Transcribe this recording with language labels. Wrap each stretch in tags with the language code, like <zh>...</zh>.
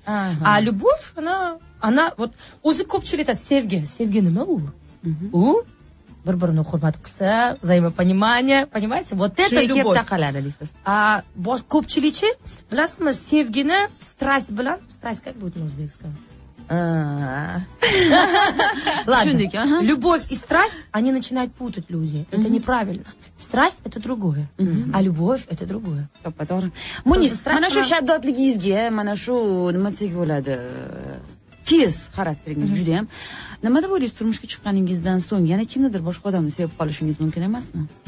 <ru>А любовь, она вот</ru> <uz>o'zi ko'pchilikda sevgi. Sevgi nima u? U bir-birini hurmat qilsa,</uz> <ru>взаимопонимание, понимаете? Вот это любовь.</ru> <uz>А ko'pchilikchi, bilasizmi, sevgini strast bilan, strast</uz> <ru>как будет на узбекском? Ладно. Любовь и страсть, они начинают путать люди. Это неправильно. Страсть это другое, а любовь это другое. Топ-топ.</ru> <uz>Муниз, mana shu shaddodligingizga, mana shu nima deb bo'ladi? Tez xarakteringiz juda ham. Nima deb o'ylaysiz, turmushga chiqqaningizdan so'ng yana kimnidir boshqa odamni sevib qolishingiz mumkin emasmi?</uz>